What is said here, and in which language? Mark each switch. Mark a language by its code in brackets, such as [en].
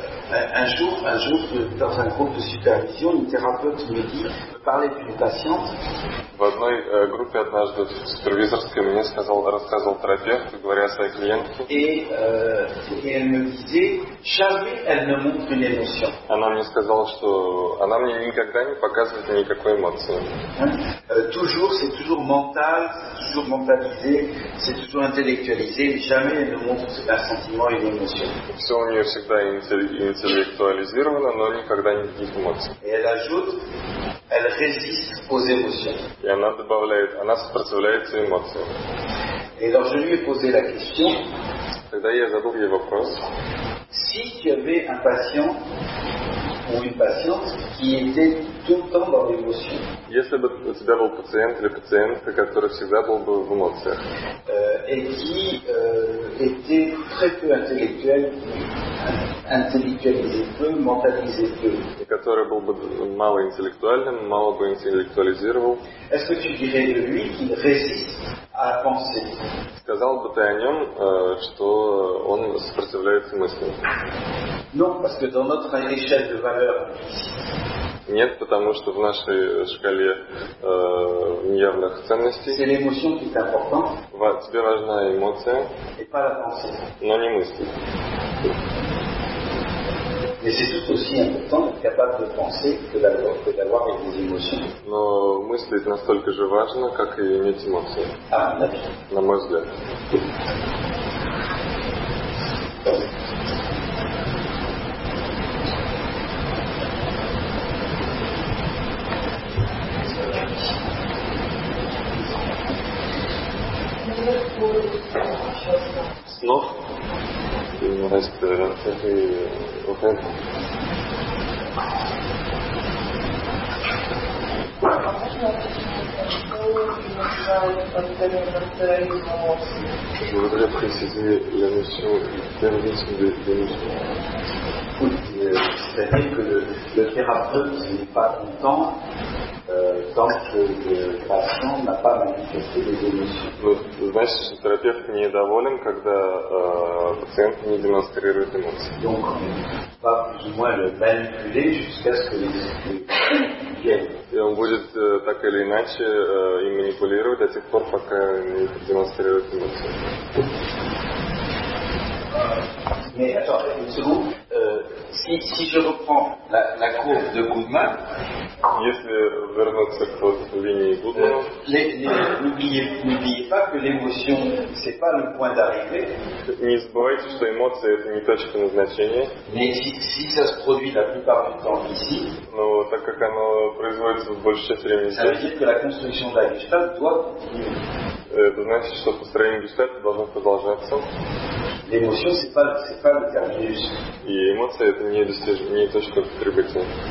[fr] Un jour, dans un groupe de supervision, une thérapeute me dit, parlait d'une patiente. [ru] В одной группе однажды в супервизорской мне рассказывал терапевт, говоря о своей клиентке. [fr] Et elle me disait, jamais elle ne montre une émotion. [ru] Она мне сказала, что она мне никогда не показывает никакой эмоции. [fr] Toujours, c'est toujours mental, toujours mentalisé, c'est toujours intellectualisé, jamais elle ne montre un sentiment et une émotion. [ru] Все у нее всегда интеллектуализировано, но никогда не эмоции. [fr] Et elle ajoute, elle résiste aux émotions. [ru] И она добавляет, она сопротивляется эмоциям. [fr] Et alors je lui ai posé la question. [ru] Тогда я задал ей вопрос. [fr] Si tu avais un patient ou une patiente qui était tout le temps dans l'émotion. [ru] Если бы у тебя был пациент или пациентка, который всегда был бы в эмоциях. [fr] Et qui était très peu intellectuel. [ru] И который был бы мало интеллектуальным, мало бы интеллектуализировал. [fr] Est-ce que tu dirais de lui qu'il résiste à la pensée? [ru] Сказал бы ты о нем, что он сопротивляется мыслям? [fr] Non, parce que dans notre échelle de valeur. [ru] Нет, потому что в нашей шкале неявных ценностей. [fr] C'est l'émotion qui est importante. [ru] Тебе важна эмоция. [fr] Et pas la pensée. [ru] Но не мысли. [fr] Mais c'est tout aussi important d'être capable de penser que d'avoir des émotions. [ru] Но мыслить настолько же важно, как и иметь эмоции. А, да. На мой взгляд. Снов? [fr] Je voudrais préciser la notion du terrorisme de l'émotion. C'est-à-dire que le thérapeute n'est pas content tant que le patient n'a pas manifesté les émotions. [ru] Значит, что терапевт недоволен, когда пациент не демонстрирует эмоции. [fr] Donc, va plus ou moins le manipuler jusqu'à ce que les émotions. [ru] И он будет так или иначе им манипулировать до тех пор, пока не демонстрирует эмоции. [fr] Mais attends une seconde. si je reprends la courbe de Goodman, [ru] если вернуться к вот линии Гудмана, [fr] n'oubliez pas que l'émotion c'est pas le point d'arrivée. [ru] Не забывайте, что эмоция это не точка назначения. [fr] Mais si ça se produit la plupart du temps ici, [ru] но так как оно производится в большей части времени здесь, [fr] ça veut dire que la construction de la Gestalt doit continuer. [ru] Это значит, что построение гештальта должно продолжаться. [fr] L'émotion, c'est pas le terminus. [ru] И эмоция это не достижение, не точка прибытия.